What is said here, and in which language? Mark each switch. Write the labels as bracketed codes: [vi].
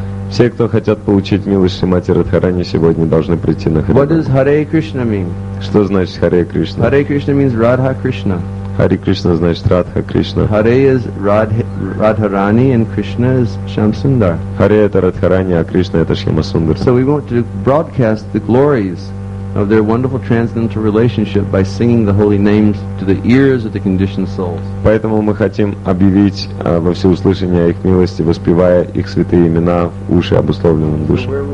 [ru] Все, кто хотят получить милость Шримати Радхарани сегодня, должны прийти на Харинаму. Что значит Харе Кришна? [en] Харе Кришна means Радха Кришна. [ru] Харе Кришна значит Радха Кришна. [en] Харе is Радхарани, and Кришна is Шамсундар. [ru] Харе это Радхарани, а Кришна это Шамсундар. [en] So we want to broadcast the glories of their wonderful transcendental relationship by singing the holy names to the ears of the conditioned souls. [ru] Поэтому мы хотим объявить во всеуслышание их милости, воспевая их святые имена в уши обусловленным душам.